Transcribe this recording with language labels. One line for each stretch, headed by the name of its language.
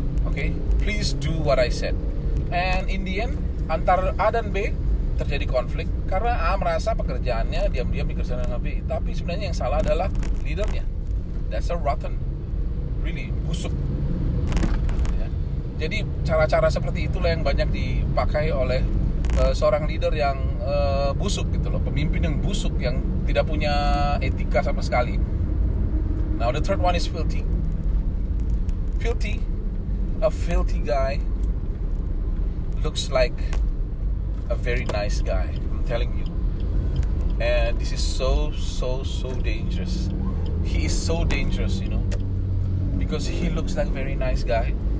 English: Okay, please do what I said. And in the end,
Indonesian: antara A dan B terjadi konflik karena A merasa pekerjaannya diam-diam dikerjakan sama B, tapi sebenarnya yang salah adalah leadernya.
English: That's a rotten, really
Indonesian: busuk. Jadi cara-cara seperti itulah yang banyak dipakai oleh seorang leader yang busuk gitu loh, pemimpin yang busuk yang tidak punya etika sama sekali.
English: Now the third one is filthy. Filthy, a filthy guy looks like a very nice guy. I'm telling you. And this is so dangerous. He is so dangerous, you know, because he looks like a very nice guy.